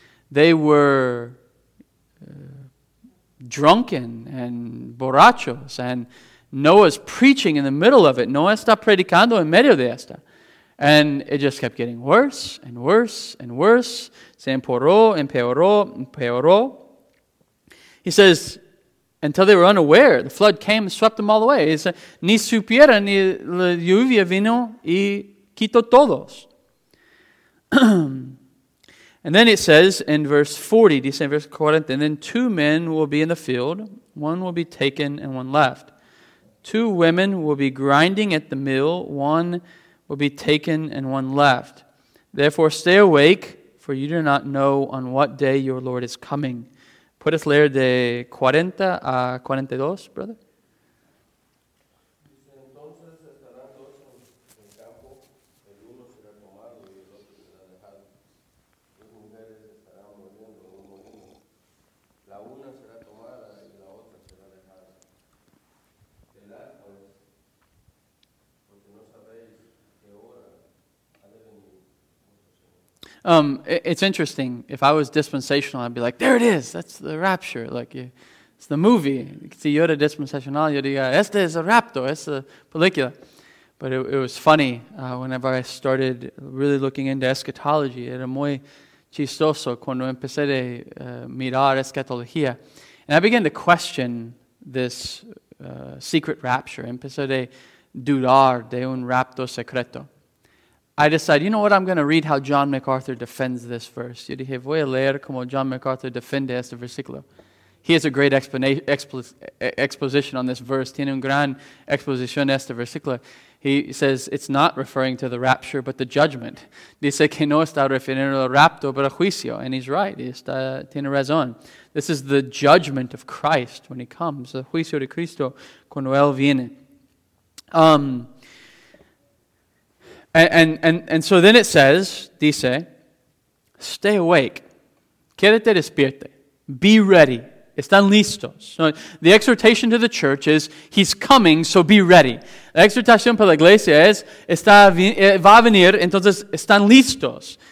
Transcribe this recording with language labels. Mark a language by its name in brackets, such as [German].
[English] They were drunken and borrachos, and Noah's preaching in the middle of it. [Spanish] Noah está predicando en medio de esta. [English] And it just kept getting worse and worse and worse. [Spanish] Se empeoró, empeoró, empeoró. [English] He says, until they were unaware, the flood came and swept them all away. He said, [Spanish] ni supiera ni la lluvia vino y quitó todos. [English] And then it says in verse 40, [Spanish] dice en verse 40, [English] and then two men will be in the field, one will be taken and one left. Two women will be grinding at the mill, one will be taken and one left. Therefore, stay awake, for you do not know on what day your Lord is coming. Put us there [Spanish] de 40 a 42, [English] brother. It's interesting. If I was dispensational, I'd be like, there it is. That's the rapture. Like, it's the movie. [Spanish] Si yo era dispensacional, yo diría, este es el rapto, es la película. [English] But it was funny whenever I started really looking into eschatology. [Spanish] Era muy chistoso cuando empecé de mirar eschatología. [English] And I began to question this secret rapture. [Spanish] Empecé de dudar de un rapto secreto. [English] I decided, you know what, I'm going to read how John MacArthur defends this verse. [Spanish] Yo dije, voy a leer como John MacArthur defiende este versículo. [English] He has a great exposition on this verse. [Spanish] Tiene un gran exposición este versículo. [English] He says it's not referring to the rapture, but the judgment. [Spanish] Dice que no está refiriendo al rapto, pero al juicio. [English] And he's right. [Spanish] Tiene razón. [English] This is the judgment of Christ when he comes. [Spanish] El juicio de Cristo cuando él viene. [English] And so then it says, [Spanish] dice, [English] stay awake. [Spanish] Quédate despierte. [English] Be ready. [Spanish] Están listos. [English] So the exhortation to the church is, he's coming, so be ready. [Spanish] La exhortación para la iglesia es, va a venir, entonces están listos.